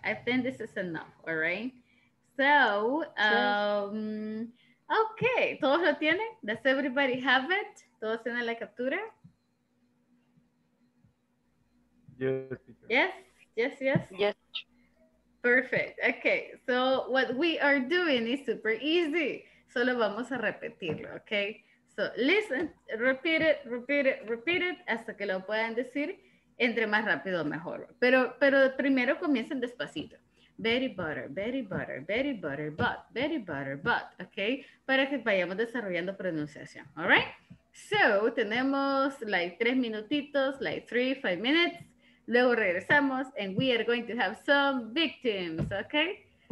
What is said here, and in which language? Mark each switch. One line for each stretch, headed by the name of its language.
English: I think this is enough, all right? So, okay,
Spanish: ¿todos lo tienen?
English: Does everybody have it?
Spanish: ¿Todos tienen la captura?
English: Yes, yes, yes, yes. Perfect. Okay, so what we are doing is super easy.
Spanish: Solo vamos a repetirlo, okay?
English: So listen, repeat it,
Spanish: repeat it, repeat it, hasta que lo puedan decir, entre más rápido mejor. Pero primero comiencen despacito.
English: Very butter, very butter, very butter, but, okay?
Spanish: Para que vayamos desarrollando pronunciación,
English: all right? So
Spanish: tenemos like 3 minutitos,
English: like 3-5 minutes.
Spanish: Luego regresamos
English: and we are going to have some victims, okay?